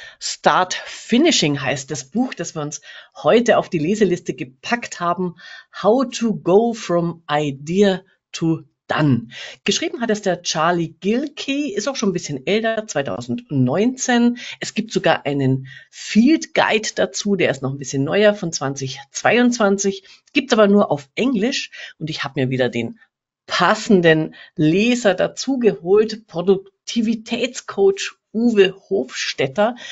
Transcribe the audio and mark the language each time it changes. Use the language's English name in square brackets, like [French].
[German] Start Finishing heißt das Buch, das wir uns heute auf die Leseliste gepackt haben. [English] How to go from idea to done. [German] Geschrieben hat es der Charlie Gilkey, ist auch schon ein bisschen älter, 2019. Es gibt sogar einen Field Guide dazu, der ist noch ein bisschen neuer, von 2022. Gibt's aber nur auf Englisch und ich habe mir wieder den passenden Leser dazu geholt, Produktivitätscoach Uwe Hofstetter.